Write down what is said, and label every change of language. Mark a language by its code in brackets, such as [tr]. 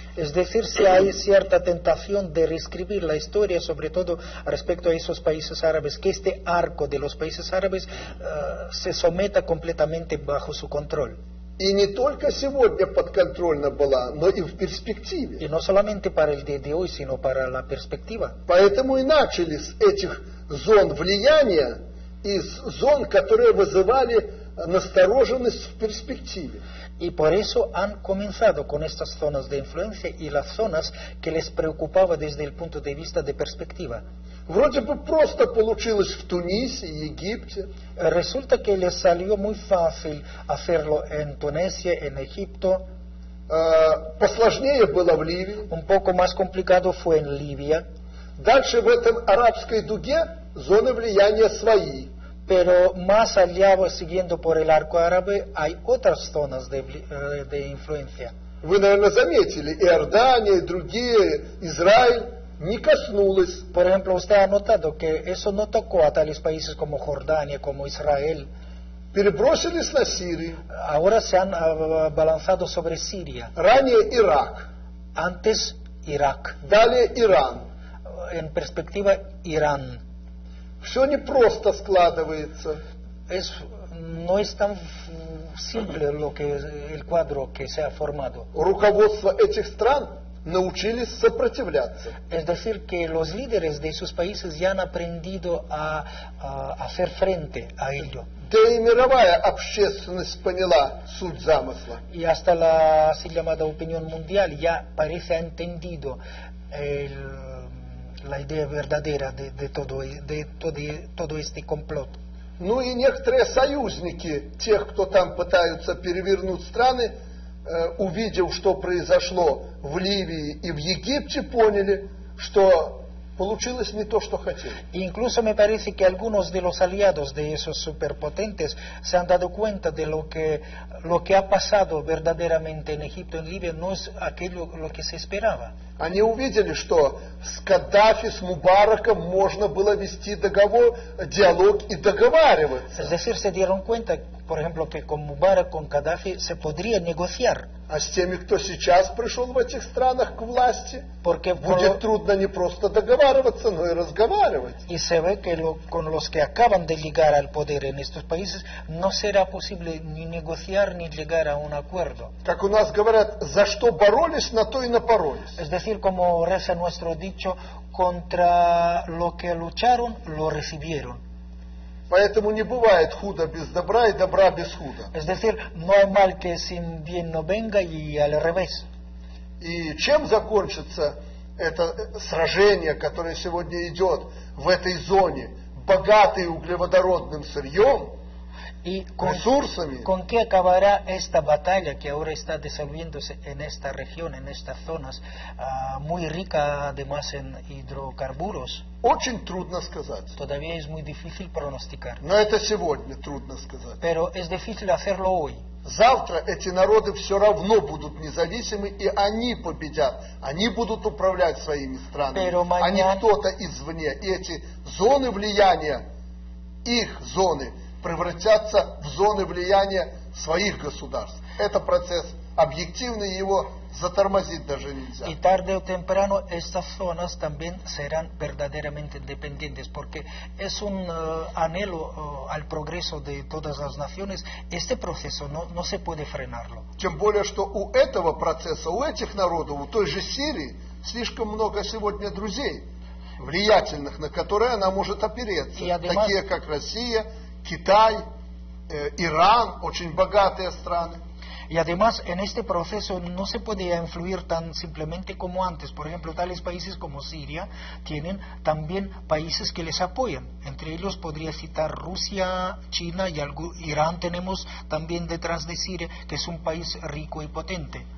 [es] Es decir, si hay cierta tentación de reescribir la historia, sobre todo respecto a esos países árabes, que este arco de los países árabes se someta completamente bajo su control. [ru] И не только сегодня подконтрольна была, но и в перспективе. И не [es] solamente para el día de hoy, sino para la perspectiva. [ru] Поэтому и начали с этих зон влияния, из зон, которые вызывали настороженность в перспективе. [es] Y por eso han comenzado con estas zonas de influencia y las zonas que les preocupaba desde el punto de vista de perspectiva. [ru] Вроде бы просто получилось в Тунисе и Египте. [es] Resulta que les salió muy fácil hacerlo en Tunisia, en Egipto. [ru] Посложнее было в Ливии. [es] Un poco más complicado fue en Libia. [ru] Дальше в этом арабской дуге зоны влияния свои. [es] Pero más allá, siguiendo por el arco árabe, hay otras zonas de influencia. [ru] Вы, наверное, заметили, Иордания, другие, Израиль не коснулось. [es] Por ejemplo, usted ha notado que eso no tocó a tales países como Jordania, como Israel. [ru] Перебросились на Сирию. [es] Ahora se han balanzado sobre Siria. [ru] Ранее Ирак. [es] Antes Irak. [ru] Далее Иран. [es] En perspectiva Irán. [ru] Все не просто складывается. [es] Es, no es tan simple lo que el cuadro que se ha formado. [ru] Руководство этих стран научились сопротивляться. [es] Es decir que los líderes de esos países ya han aprendido a hacer frente a ello. [ru] Да и мировая общественность поняла суть замысла. [es] Y hasta la así llamada opinión mundial ya parece ha entendido el la idea verdadera de todo este complot. [ru] Ну и некоторые союзники тех, кто там пытаются перевернуть страны, увидев, что произошло в Ливии и в Египте, поняли, что получилось не то, что хотели. [es] Incluso me parece que algunos de los aliados de esos superpotentes se han dado cuenta de lo que ha pasado verdaderamente en Egipto, en Libia, no es aquello lo que se esperaba. [ru] Они увидели, что с Каддафи, с Мубараком можно было вести договор, диалог и договариваться. [es] Es decir, se dieron cuenta, por ejemplo, que con Мубарак, con Каддафи se podría negociar. [ru] А с теми, кто сейчас пришел в этих странах к власти, [es] porque [ru] будет трудно не просто договариваться, но и разговаривать. И [es] se ve que con los que acaban de llegar al poder en estos países no será posible ni negociar ni llegar a un acuerdo. [ru] Как у нас говорят, за что боролись, на то и напоролись. [es] Es decir, como reza nuestro dicho, contra lo que lucharon, lo recibieron. [ru] Поэтому не бывает худо без добра и добра без худо. [es] Es decir, no hay mal que sin bien no venga y al revés. [ru] И чем закончится это сражение, которое сегодня идет в этой зоне, богатой углеводородным сырьем, ресурсами? [es] Con qué acabará esta batalla que ahora está desarrollándose en esta región, en estas zonas, muy rica además en hidrocarburos? [ru] Очень трудно сказать. [es] Todavía es muy difícil pronosticar. [ru] Но это сегодня трудно сказать. [es] Pero es difícil hacerlo hoy. [ru] Завтра эти народы все равно будут независимы, и они победят. Они будут управлять своими странами. [es] Pero mañana... [ru] А не кто-то извне. И эти зоны влияния, их зоны, превратятся в зоны влияния своих государств. Это процесс объективный, его затормозить даже нельзя. И [es] tarde o temprano estas zonas también serán verdaderamente independientes, porque es un anhelo al progreso de todas las naciones. Este proceso no se puede frenarlo. [ru] Тем более, что у этого процесса, у этих народов, у той же Сирии, слишком много сегодня друзей, влиятельных, на которые она может опереться. [es] Además, [ru] такие как Россия, Китай, Иран, очень богатые страны. [es] Y además, en este proceso no se podía influir tan simplemente como antes. Por ejemplo, tales países como Siria tienen también países que les apoyan. Entre ellos podría citar Rusia, China y Irán tenemos también detrás de Siria, que es un país rico y potente.